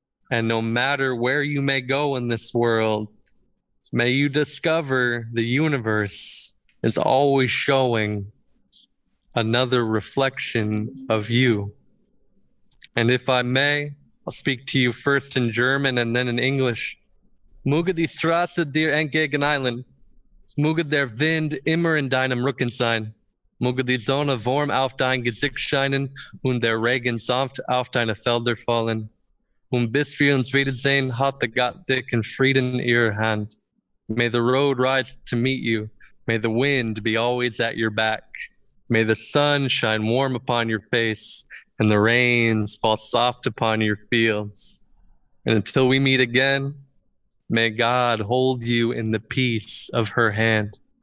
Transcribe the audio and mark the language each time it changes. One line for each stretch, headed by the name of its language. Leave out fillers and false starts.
English: And no matter where you may go in this world, may you discover the universe is always showing another reflection of you. And if I may, I'll speak to you first in German and then in English.
German: Möge die Straße dir entgegen eilen. Möge der Wind immer in deinem Rücken sein. Möge die Sonne warm auf dein Gesicht scheinen und der Regen sanft auf deine Felder fallen. Und bis wir uns wiedersehen, hat der Gott dich in Frieden in ihrer Hand.
English: May the road rise to meet you. May the wind be always at your back. May the sun shine warm upon your face and the rains fall soft upon your fields. And until we meet again, may God hold you in the peace of her hand.